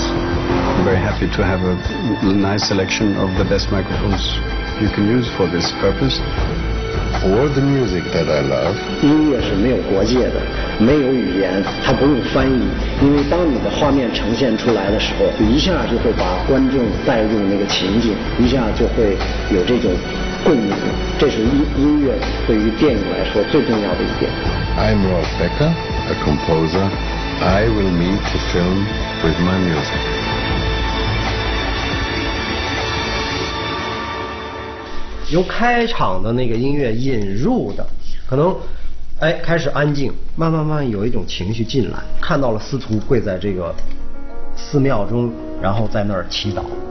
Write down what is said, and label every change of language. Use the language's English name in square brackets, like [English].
[English] I'm very happy to have a nice selection of the best microphones you can use for this purpose. Or the music that I love. [Chinese] 音乐是没有国界的，没有语言，它不用翻译，因为当你的画面呈现出来的时候，一下就会把观众带入那个情景，一下就会有这种共鸣。这是音乐对于电影来说最重要的一点。 [English] I'm Rolf Becker, a composer. I will meet the film with my music. [Chinese] 由开场的那个音乐引入的，可能，哎，开始安静，慢慢有一种情绪进来，看到了司徒跪在这个寺庙中，然后在那儿祈祷。